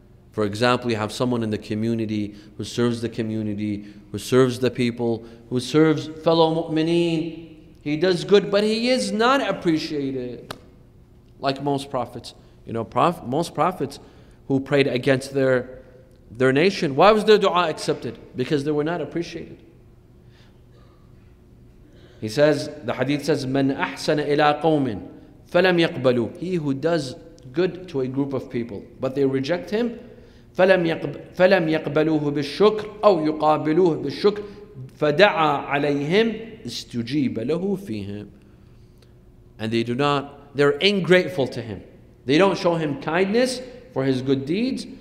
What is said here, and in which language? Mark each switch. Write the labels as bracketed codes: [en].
[en] For example, you have someone in the community who serves the community, who serves the people, who serves fellow mu'mineen. He does good, but he is not appreciated. Like most prophets. You know, most prophets who prayed against their nation. Why was their dua accepted? Because they were not appreciated. He says, the hadith says, [ar] مَنْ أَحْسَنَ إِلَىٰ قَوْمٍ فَلَمْ يَقْبَلُوا. [en] He who does good to a group of people, but they reject him, [ar] فَلَمْ يَقْبَلُوهُ بِالشُّكْرِ أَوْ يُقَابِلُوهُ بِالشُّكْرِ فَدَعَى عَلَيْهِمْ اسْتُجِيبَ لَهُ فِيهِمْ. [en] And they do not, they're ungrateful to him. They don't show him kindness for his good deeds.